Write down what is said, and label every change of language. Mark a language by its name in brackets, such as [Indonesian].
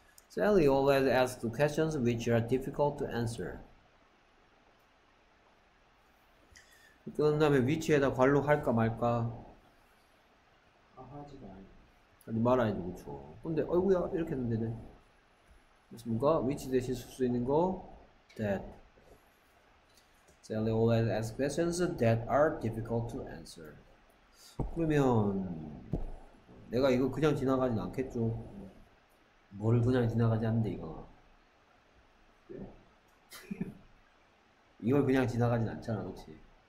[English] Sally always asks questions which are difficult to answer. [Korean] 그런 다음에 위치에다 괄호 할까 말까? 하지 말. 아니, 말아야지, 그쵸. 근데, 어이구야, 이렇게 했는데, 네. 맞습니까? which 대신 쓸수 있는 거, that. [English] Sally always asks questions that are difficult to answer. [Korean] 그러면, 내가 이거 그냥 지나가진 않겠죠? 뭘 그냥 지나가지 않는데, 이거. 이걸 그냥 지나가진 않잖아, 그치?